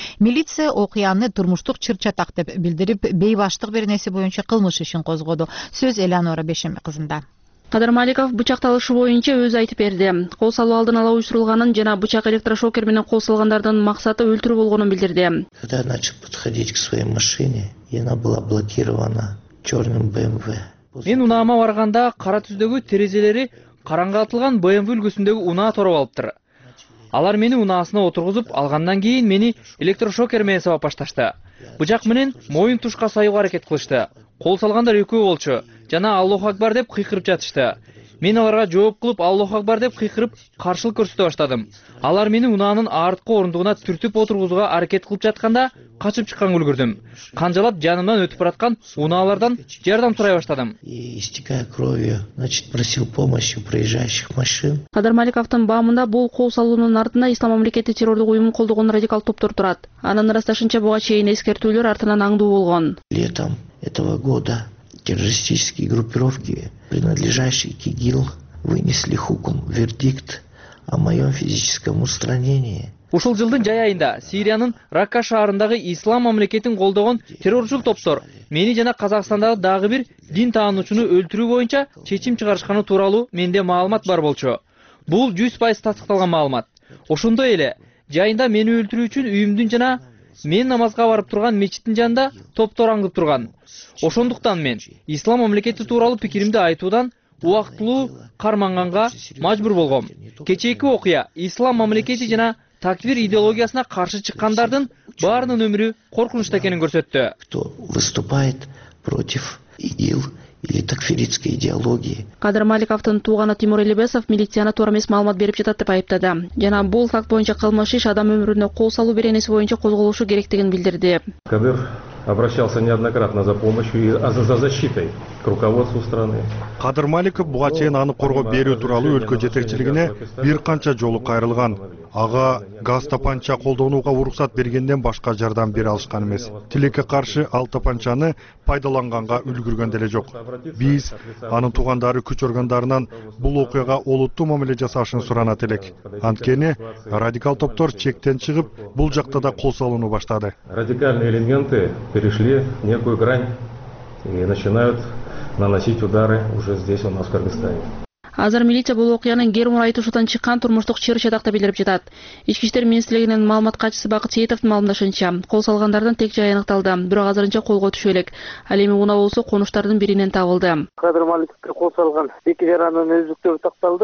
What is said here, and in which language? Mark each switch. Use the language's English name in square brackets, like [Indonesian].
[Kyrgyz] Милиция окуяны турмуштук чыр чатак деп билдирип, бейбаштык беренеси боюнча кылмыш ишин козгоду. Сөз Элеонора Бешеми кызында. Кадыр Маликов бычакталышы боюнча өзү айтып берди. Кол салуу алдын ала уюштурулганын жана бычак электрошокер менен кол салгандардын максаты өлтүрүү болгонун билдирди. [Russian] Когда начал подходить к своей машине, и она была блокирована черным БМВ. [Kyrgyz] Мен унаама барганда кара түздөгү терезелери караңгы атылган БМВ үлгүсүндөгү унаа тороп алыптыр. Алар мени унаасына отургузуп алгандан кийин мени электрошокер менен сабап башташты. Бычак менен моюн тушка саюуга аракет кылышты. Кол салгандар экөө болчу жана Аллаху акбар деп кыйкырып жатышты. Мен аларга жооп кылып Аллаху акбар деп кыйкырып каршылык көрсөтө баштадым. Алар мени унаанын арткы орундугуна түртүп отургузууга аракет кылып жатканда качып чыкканга үлгүрдүм. Канжалап жанымдан өтүп бараткан унаалардан жардам сурай баштадым. [Russian] Истекая кровью, значит, просил помощи у проезжающих машин. [Kyrgyz] Кадыр Маликовдун баамында бул кол салуунун артында Ислам мамлекети террордук уюму колдогон радикал топтор турат. Анын ырасташынча буга чейин эскертүүлөр артынан аңдуу болгон. [Russian] Летом этого года террористические группировки, принадлежащие к ИГИЛ, вынесли хукм, вердикт о моем физическом устранении. [Kyrgyz] Ушул жылдын жай айында Сириянын Ракка шаарындагы Ислам мамлекетин колдогон терроризм топтор мени жана Казакстандагы дагы бир дин таануучуну өлтүрүү боюнча чечим чыгарышканы тууралуу менде маалымат бар болчу. Бул 100% тастыкталган маалымат. Ошондой эле жайында мени өлтүрүү үчүн үйүмдүн жана мен намазга барып турган мечиттин жанында топтор аңдып турган. Ошондуктан мен Ислам мамлекети тууралуу пикиримди айтуудан убактылуу карманганга мажбур болгом. Кечээки окуя Ислам мамлекети жана такфир идеологиясына каршы чыккандардын баарынын өмүрү коркунучта экенин көрсөттү. [Russian] Кто выступает против ИГИЛ или такфиритской идеологии? [Kyrgyz] Кадыр Маликовдун тууганы Тимур Элибесов милицияны туура эмес маалымат берип жатат деп айыптады жана бул факт боюнча кылмыш иш адам өмүрүнө кол салуу беренеси боюнча козголушу керектигин билдирди. Кадыр [Russian] обращался неоднократно за помощью и за защитой к руководству страны. [Kyrgyz] Кадыр Маликов буга чейин аны коргоо берүү тууралуу өлкө жетекчилигине бир канча жолу кайрылган. Ага газ тапанча колдонууга уруксат бергенден башка жардам бере алышкан эмес. Тилекке каршы ал тапанчаны пайдаланганга үлгүргөн деле жок. Биз анын туугандары күч органдарынан бул окуяга олуттуу мамиле жасашын суранат элек. Анткени радикал топтор чектен чыгып бул жакта да кол салууну баштады. [Russian] Радикальные элементы перешли некую грань и начинают наносить удары уже здесь у нас в Кыргызстане. [Kyrgyz] Азыр милиция бул окуянын ким айтышуусунан чыккан турмуштук чыр чатакта билдирип жатат. Ички иштер министрлигинин маалымат катчысы Бакыт Сейитовдун маалымдашынча, кол салгандардын тек жайы аныкталды, бирок азырынча колго түшө элек. Ал эми унаа болсо конуштардын биринен табылды. Кадыр Маликовго кол салган эки жер анын өздүктөрү такталды.